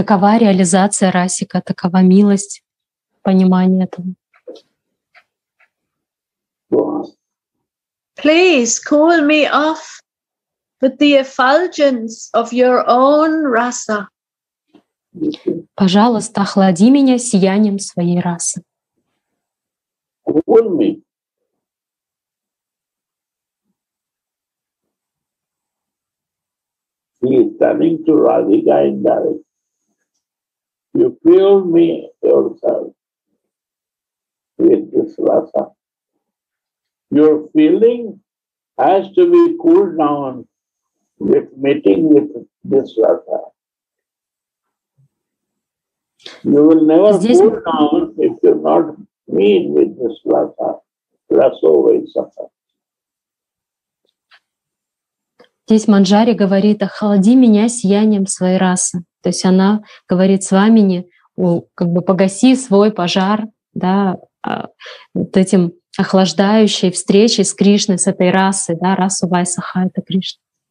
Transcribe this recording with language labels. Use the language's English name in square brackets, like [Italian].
[Russian] Такова реализация Расика, такова милость, понимание этого. [English] Please cool me off with the effulgence of your own rasa. [Russian] Пожалуйста, охлади меня сиянием своей расы. [English] Cool me. He is turning to Radhika in direct. You feel me yourself with this rasa. Your feeling has to be cooled down with meeting with this rasa. You will never cool down if you not meet with this rasa. Rasa will suffer. [Russian] Здесь Манджари говорит: охлади меня сиянием своей расы. То есть она говорит с вами: не, как бы погаси свой пожар, да, вот этим охлаждающей встречей с Кришной, с этой расой, да, расу Вайсаха, это Кришна.